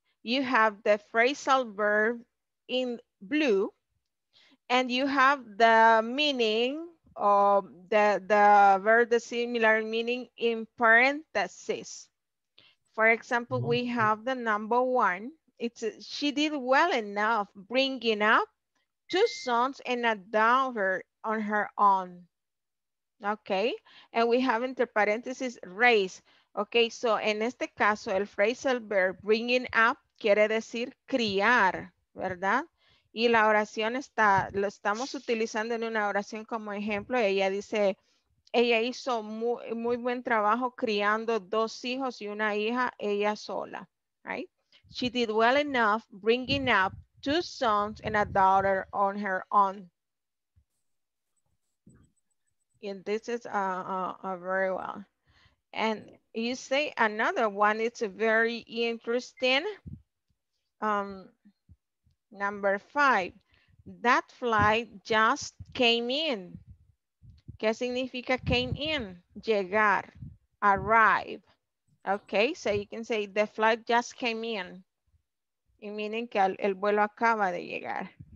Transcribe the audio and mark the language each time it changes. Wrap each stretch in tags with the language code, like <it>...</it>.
<en>You have the phrasal verb in blue and you have the meaning of the verb, the similar meaning in parentheses. For example, we have the number one. It's she did well enough bringing up two sons and a daughter on her own. Okay, and we have</en> <es>entre paréntesis</es> <en>raise.</en> <es>Okay, so en este caso, el phrasal verb bringing up quiere decir criar, ¿verdad? Y la oración está, lo estamos utilizando en una oración como ejemplo. Ella dice, ella hizo muy, muy buen trabajo criando dos hijos y una hija, ella sola, right?</es> <en>She did well enough bringing up two sons and a daughter on her own. And this is a very well. And you say another one, it's a very interesting. Number five, that fly just came in.</en> <es>¿Qué significa came in? Llegar, arrive.</es> <en>Okay, so you can say the fly just came in. It meaning</en> <es>que el vuelo acaba de llegar.</es>